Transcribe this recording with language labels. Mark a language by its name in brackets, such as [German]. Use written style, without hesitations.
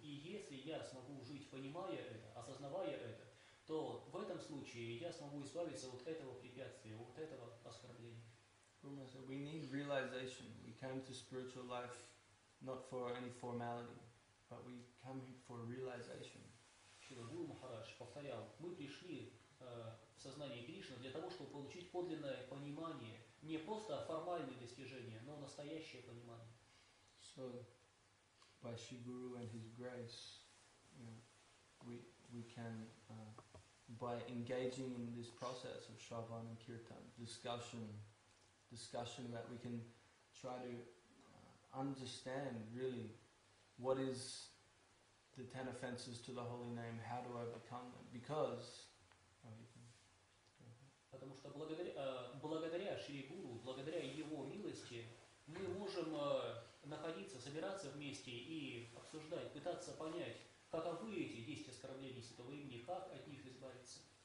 [Russian] И если я смогу жить, понимая это, осознавая это, то в этом случае я смогу избавиться от этого препятствия, от этого оскорбления. [English] Guru said, we need realization. We came to spiritual life not for any formality, but we come here for realization. [Russian] Гуру Махарадж повторял, мы пришли в сознание Кришны для того, чтобы получить подлинное понимание, не просто формальные достижения, но настоящее понимание. [English] So, by Shri Guru and His grace, you know, we can, by engaging in this process of Shravan and Kirtan, discussion that we can try to understand really what is the 10 offenses to the holy name, how to overcome them, because [Russian] потому что благодаря Шри Гуру, благодаря его милости, мы можем находиться, собираться вместе и обсуждать, пытаться понять, каковы эти 10 оскорблений святого имени, как от них избавиться.